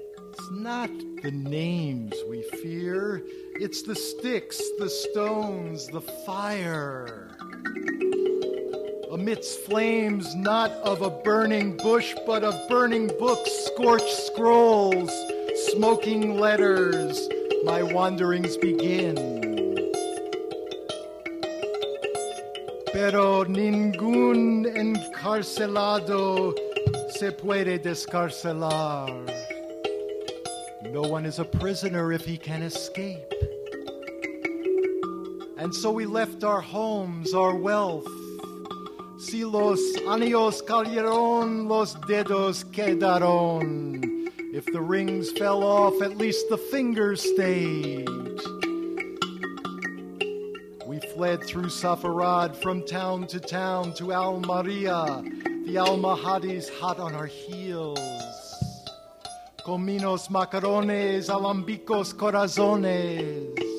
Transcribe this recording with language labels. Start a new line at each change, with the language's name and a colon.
English: It's not the names we fear, it's the sticks, the stones, the fire. Amidst flames, not of a burning bush, but of burning books, scorched scrolls, smoking letters, my wanderings begin.
Spanish: Pero ningún encarcelado se puede descarcelar.
English: No one is a prisoner if he can escape. And so we left our homes, our wealth.
Spanish: Si los años cayeron, los dedos quedaron.
English: If the rings fell off, at least the fingers stayed. Fled through Safarad from town to town to Almería, the Almohades hot on our heels.
Spanish: Cominos, macarones, alambicos, corazones.